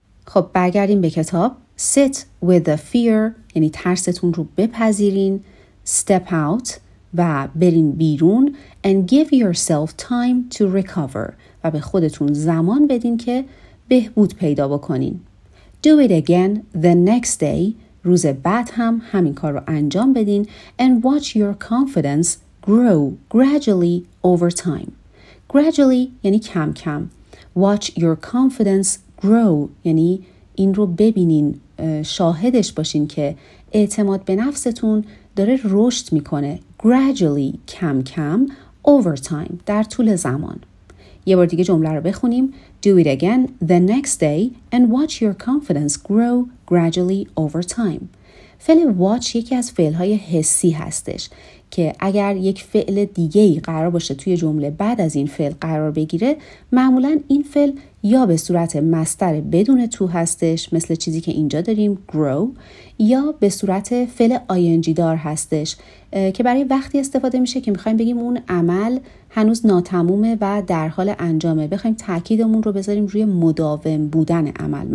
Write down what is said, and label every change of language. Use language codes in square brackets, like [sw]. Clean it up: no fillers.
[fa] خب برگردیم به کتاب. [en] Sit with the fear [fa] یعنی ترستون رو بپذیرین. [en] Step out [fa] و برین بیرون. [en] And give yourself time to recover [fa] و به خودتون زمان بدین که بهبود پیدا بکنین. [en] Do it again the next day. [fa] روز بعد هم همین کار رو انجام بدین. [en] And watch your confidence grow gradually over time. [fa] Gradually یعنی کم کم. [en] Watch your confidence grow [fa] یعنی این رو ببینین، شاهدش باشین که اعتماد به نفستون داره رشد میکنه. Gradually کم کم. Over time در طول زمان. یه بار دیگه جمله رو بخونیم. [en] Do it again the next day and watch your confidence grow gradually over time. [fa] فعل watch یکی از فعل‌های حسی هستش که اگر یک فعل دیگه‌ای قرار باشه توی جمله بعد از این فعل قرار بگیره، معمولاً این فعل یا به صورت مصدر بدون تو هستش مثل چیزی که اینجا داریم grow، یا به صورت فعل ing دار هستش که برای وقتی استفاده میشه که می‌خوایم بگیم اون عمل هنوز ناتمومه و در حال انجامه، بخوایم تاکیدمون رو بذاریم روی مداوم بودن عمل.